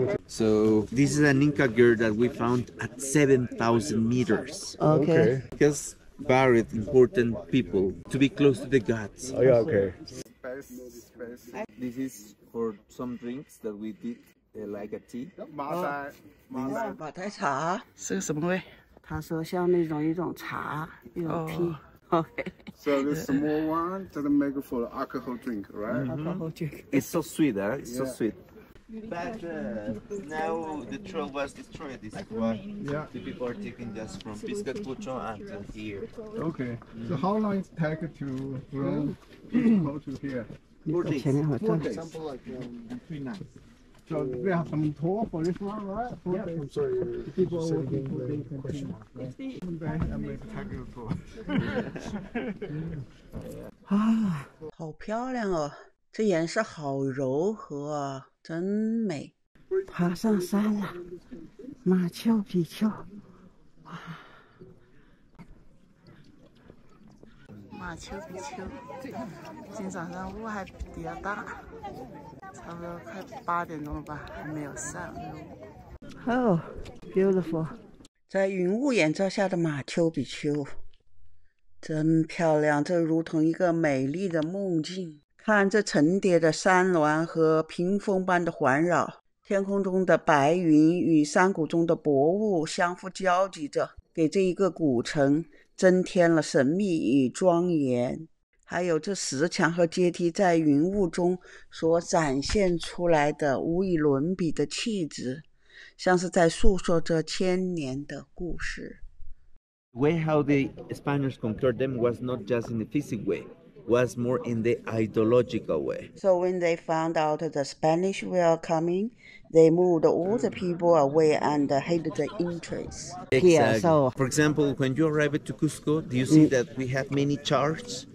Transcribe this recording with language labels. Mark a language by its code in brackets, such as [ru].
[en] So this is an Inca girl that we found at 7,000 meters. Okay. Because buried important people to be close to the gods. Oh yeah, okay. This is for some drinks that we did, like a tea. [zh] 马仔茶。是个什么味？他说像那种一种茶，一种 tea。 [en] Okay. So this small one doesn't make for alcohol drink, right? Mm-hmm. Alcohol drink. It's so sweet, huh? It's so sweet. But now the trail was destroyed. This is why the people are taking just from Piscataquitlán until here. Okay. Mm-hmm. So how long it take to from Piscataquitlán to here? 4 days. 4 days. Between nights. So we have some tour for this one, right? Yeah, I'm sorry. People are working for the question mark. I'm going to tag you for it. [zh] 好漂亮哦，这岩石好柔和啊，真美。爬上山了，马丘比丘。哇，马丘比丘，今早上雾还比较大。差不多快8点钟了吧，还没有散。 [en] Oh, beautiful. [zh] 在云雾眼罩下的马丘比丘，真漂亮，这如同一个美丽的梦境。看这层叠的山峦和屏风般的环绕，天空中的白云与山谷中的薄雾相互交集着，给这一个古城增添了神秘与庄严。还有这石墙和阶梯在云雾中所展现出来的无与伦比的气质，像是在诉说着千年的故事。 [en] The way how the Spaniards conquered them was not just in the physical way, was more in the ideological way. So when they found out the Spanish were coming, they moved all the people away and hid the entrance. Exactly. For example, when you arrive to Cusco, do you see that we have many charts?